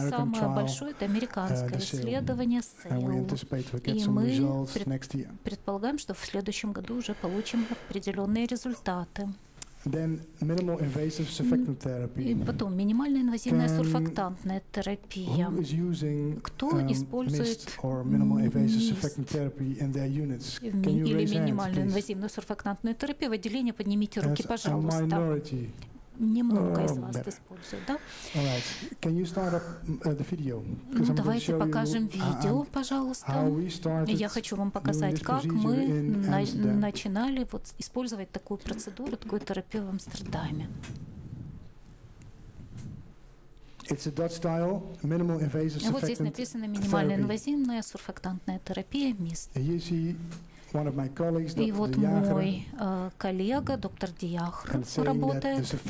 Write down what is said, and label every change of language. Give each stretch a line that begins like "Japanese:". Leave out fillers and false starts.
Russian: Самое большое — это американское исследование SAIL. И мы предполагаем, что в следующем году уже получим определенные результаты.
English: Then minimal invasive surfactant therapy.
Russian: И потом минимальная инвазивная сурфактантная терапия.
English: Who is using MIST or minimal invasive surfactant therapy in their units? Can you
Russian: или минимальную инвазивную сурфактантную терапию в отделении, поднимите руки, пожалуйста. Немного из вас используют, да?
English: All right. Can you start up the video?
Russian: Ну, давайте покажем видео, пожалуйста. Я хочу вам показать, как мы начинали вот использовать такую процедуру, такую терапию в Амстердаме.
English: It's a Dutch style minimal invasive surfactant.
Russian: Вот здесь написано минимальная инвазивная сурфактантная терапия MIST.
English: One of my colleagues,
Russian: и вот мой коллега, доктор Диахр, работает.